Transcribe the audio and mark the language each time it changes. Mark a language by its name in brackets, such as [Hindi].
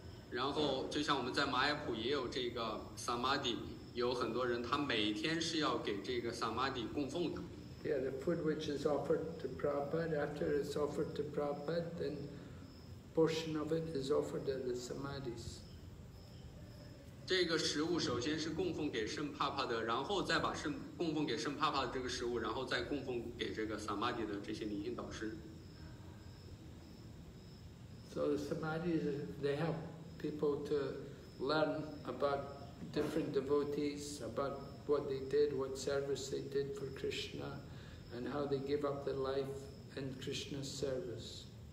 [Chinese] 然后就像我们在马耶普也有这个 samadhi， 有很多人他每天是要给这个 samadhi 供奉的。 [English] Yeah, the food which is offered to Prabhupada, after it's offered to Prabhupada, then portion of it is offered at the samadhis. [Chinese] 这个食物首先是供奉给圣帕帕的，然后再把圣供奉给圣帕帕的这个食物，然后再供奉给这个 samadhi 的这些灵性导师。 [English] So the samadhis, they help people to learn about different devotees, about what they did, what service they did for Krishna. And how they give up their life in Krishna's service.